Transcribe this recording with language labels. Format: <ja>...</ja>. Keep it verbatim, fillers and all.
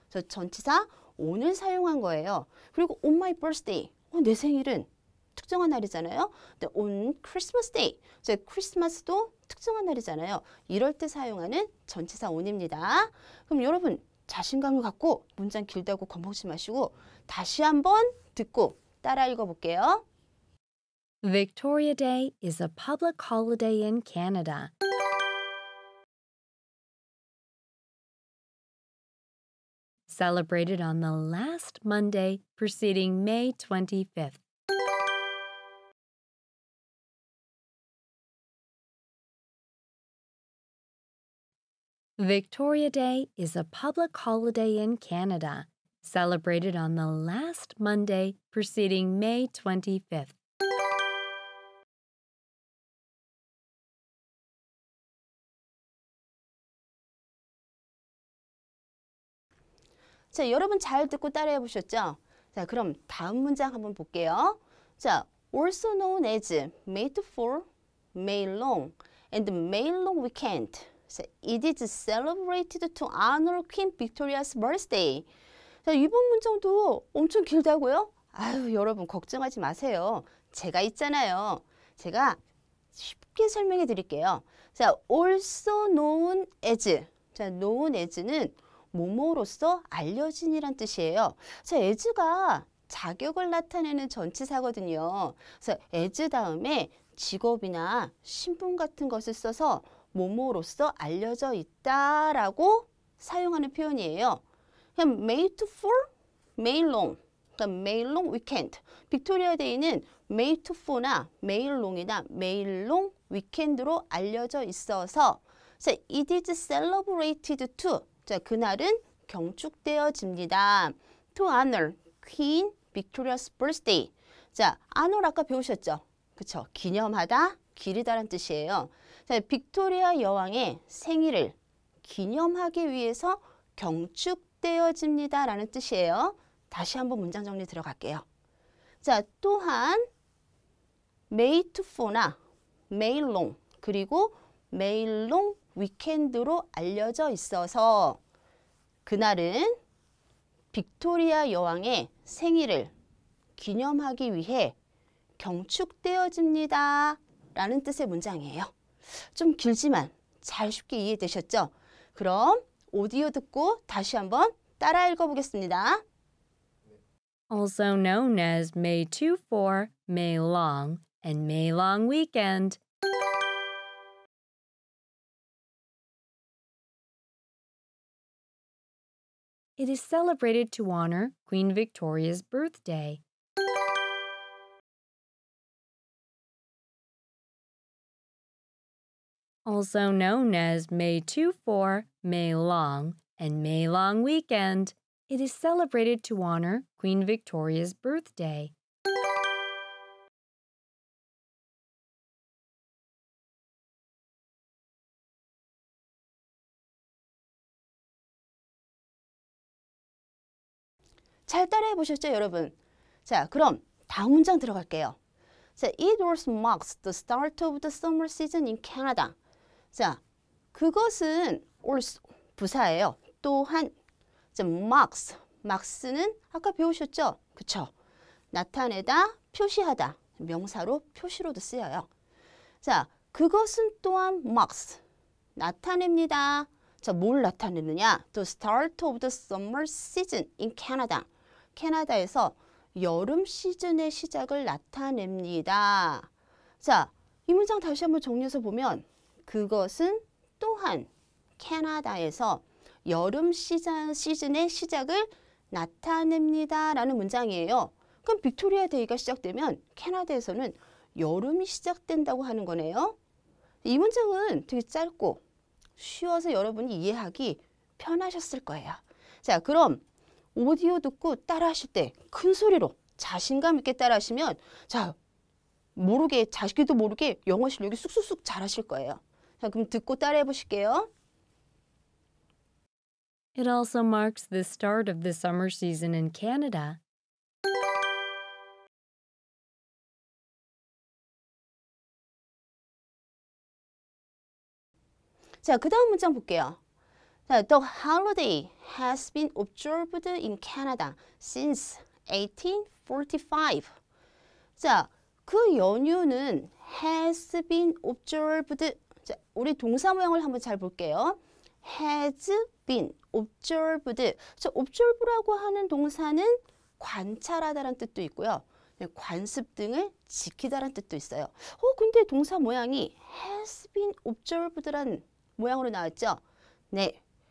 <ko>그래서 전치사 오늘 사용한 거예요. 그리고</ko> <en>on my birthday,</en> <ko>어, 내 생일은 특정한 날이잖아요. 근데</ko> <en>on Christmas day,</en> <ko>이제 크리스마스도 특정한 날이잖아요. 이럴 때 사용하는 전치사 on입니다. 그럼 여러분 자신감을 갖고 문장 길다고 겁먹지 마시고 다시 한번 듣고 따라 읽어볼게요.</ko> <en>Victoria Day is a public holiday in Canada. Celebrated on the last Monday preceding May twenty-fifth. Victoria Day is a public holiday in Canada, celebrated on the last Monday preceding May twenty-fifth.</en> <ko>자, 여러분 잘 듣고 따라해 보셨죠? 자, 그럼 다음 문장 한번 볼게요.</ko> <en>자, also known as May fourth, May long, and May long weekend. 자, it is celebrated to honor Queen Victoria's birthday.</en> <ko>자, 이번 문장도 엄청 길다고요? 아유, 여러분 걱정하지 마세요. 제가 있잖아요. 제가 쉽게 설명해 드릴게요.</ko> <en>자, also known as.</en> <ko>자, known as는 뭐뭐로서 알려진이란 뜻이에요. 자, as가 자격을 나타내는 전치사거든요. 그래서 as 다음에 직업이나 신분 같은 것을 써서 뭐뭐로서 알려져 있다라고 사용하는 표현이에요.</ko> <en>그냥 May to fourth, May long,</en> <ko>그러니까</ko> <en>May long weekend.</en> <ko>빅토리아 데이는 May to fourth나 May long이나 May long weekend로 알려져 있어서 자,</ko> <en>it is celebrated to.</en> <ko>자, 그날은 경축되어집니다.</ko> <en>To honor Queen Victoria's birthday.</en> <ko>자, honor 아까 배우셨죠? 그쵸? 기념하다, 기리다란 뜻이에요. 자, 빅토리아 여왕의 생일을 기념하기 위해서 경축되어집니다 라는 뜻이에요. 다시 한번 문장 정리 들어갈게요. 자, 또한 May to fourth나 May long 그리고 May long 위켄드로 알려져 있어서 그날은 빅토리아 여왕의 생일을 기념하기 위해 경축되어집니다 라는 뜻의 문장이에요. 좀 길지만 잘 쉽게 이해되셨죠? 그럼 오디오 듣고 다시 한번 따라 읽어보겠습니다.</ko> <en>Also known as May twenty-fourth, May long, and May long weekend. It is celebrated to honor Queen Victoria's birthday. Also known as May twenty-fourth, May long, and May long weekend, it is celebrated to honor Queen Victoria's birthday.</en> <ko>잘 따라해 보셨죠, 여러분? 자, 그럼 다음 문장 들어갈게요.</ko> <en>자, it also marks the start of the summer season in Canada.</en> <ko>자, 그것은 also 부사예요. 또한 자, marks, marks는 아까 배우셨죠? 그쵸? 나타내다, 표시하다, 명사로 표시로도 쓰여요. 자, 그것은 또한 marks, 나타냅니다. 자, 뭘 나타내느냐?</ko> <en>The start of the summer season in Canada.</en> <ko>캐나다에서 여름 시즌의 시작을 나타냅니다. 자, 이 문장 다시 한번 정리해서 보면 그것은 또한 캐나다에서 여름 시즌, 시즌의 시작을 나타냅니다 라는 문장이에요. 그럼 빅토리아 데이가 시작되면 캐나다에서는 여름이 시작된다고 하는 거네요. 이 문장은 되게 짧고 쉬워서 여러분이 이해하기 편하셨을 거예요. 자, 그럼 오디오 듣고 따라하실 때 큰 소리로 자신감 있게 따라하시면 자, 모르게 자식도 모르게 영어 실력이 쑥쑥쑥 잘하실 거예요. 자, 그럼 듣고 따라해 보실게요.</ko> <en>It also marks the start of the summer season in Canada.</en> <ko>자, 그 다음 문장 볼게요.</ko> <en>자, The holiday has been observed in Canada since eighteen forty-five.</en> <ko>자, 그 연휴는</ko> <en>has been observed.</en> <ko>자, 우리 동사 모양을 한번 잘 볼게요.</ko> <en>has been observed.</en> <ko>자, observe라고 하는 동사는 관찰하다라는 뜻도 있고요. 관습 등을 지키다라는 뜻도 있어요. 어, 근데 동사 모양이</ko> <en>has been observed</en> <ko>라는 모양으로 나왔죠? 네.</ko>